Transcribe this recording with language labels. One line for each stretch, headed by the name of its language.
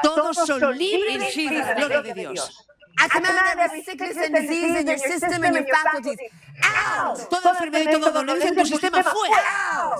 Spanish: Todos son libres en la gloria de Dios.
English: I command that every sickness and disease in your system and your faculties out.
Spanish: Toda enfermedad y todo dolor en tu sistema fuera.